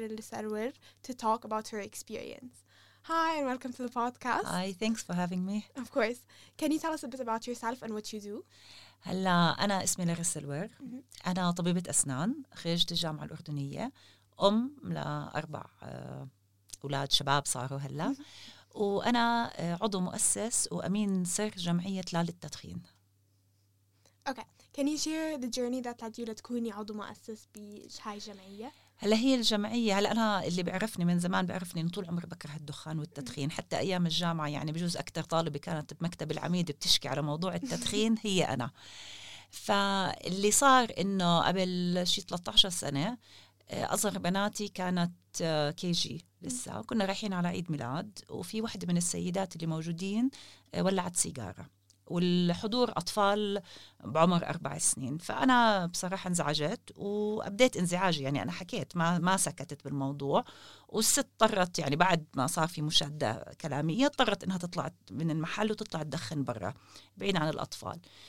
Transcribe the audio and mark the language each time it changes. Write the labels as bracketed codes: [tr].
[en] Larissa Al-Uar to talk about her experience. Hi, and welcome to the podcast. Hi, thanks for having me. Of course. Can you tell us a bit about yourself and what you do? [ar] هلا أنا اسمي لاريسا الوير. أنا طبيبة أسنان خريجت الجامعة الأردنية أم لأربع أولاد شباب صاروا هلا وأنا عضو مؤسس وأمين سر جمعية لا للتدخين. [en] Okay. Can you share the journey that led you to [ar] تكوني عضو مؤسس بهاي الجمعية؟ هلا هي الجمعية هلا أنا اللي بعرفني من زمان بعرفني إن طول عمري بكره الدخان والتدخين حتى أيام الجامعة يعني بجوز أكتر طالبة كانت بمكتب العميد بتشكي على موضوع التدخين هي أنا فاللي صار إنه قبل شي 13 سنة أصغر بناتي كانت كي جي لسه كنا رايحين على عيد ميلاد وفي واحدة من السيدات اللي موجودين ولعت سيجارة والحضور أطفال بعمر 4 سنين فأنا بصراحة انزعجت وأبديت انزعاجي يعني أنا حكيت ما سكتت بالموضوع والست اضطرت يعني بعد ما صار في مشادة كلامية اضطرت إنها تطلع من المحل وتطلع تدخن برا بعيد عن الأطفال